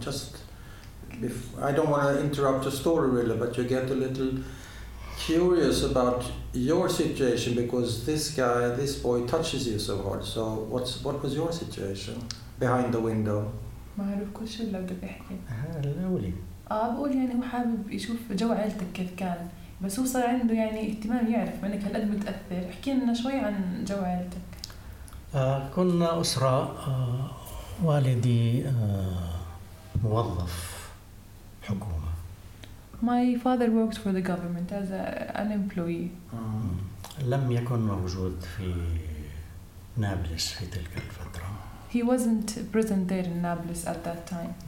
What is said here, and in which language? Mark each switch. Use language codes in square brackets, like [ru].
[en] Just, I don't want to interrupt your story really, but you get a little curious about your situation because this guy, this boy touches you so hard. So what was your situation behind the window? [ar] معروف كل شيء لو بدك تحكي الأولي بقول يعني هو حابب يشوف جو عائلتك كيف كان بس هو صار عنده يعني اهتمام يعرف منك هالقد متأثر احكي لنا شوي عن جو عائلتك كنا أسرة والدي موظف حكومة [en] My father worked for the government as an employee [ar] لم يكن موجود في نابلس في تلك الفترة [en] He wasn't present there in Nablus at that time.